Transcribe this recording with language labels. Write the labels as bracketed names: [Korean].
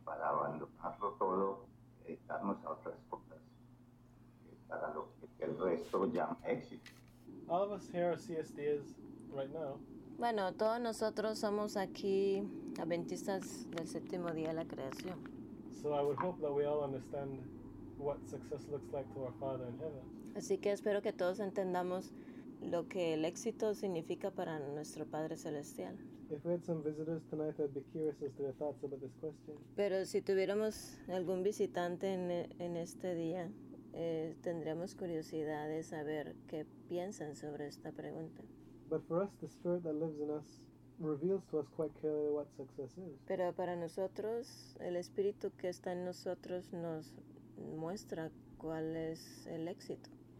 [Spanish] Para abandonarlo todo y dedicarnos a otras cosas, para lo que el resto llama éxito. [English] All of us here are CSDs right now. [Spanish] Bueno, todos nosotros somos aquí adventistas del séptimo día de la creación. [English] So I would hope that we all understand what success looks like to our Father in heaven. [Spanish] Así que espero que todos entendamos lo que el éxito significa para nuestro Padre Celestial. [English] If we had some visitors tonight, I'd be curious as to their thoughts about this question. [Spanish] Pero si tuviéramos algún visitante en este día, tendríamos curiosidad de saber qué piensan sobre esta pregunta. [English] But for us, the spirit that lives in us reveals to us quite clearly what success is. [Spanish] Pero para nosotros, el espíritu que está en nosotros nos muestra cuál es el éxito.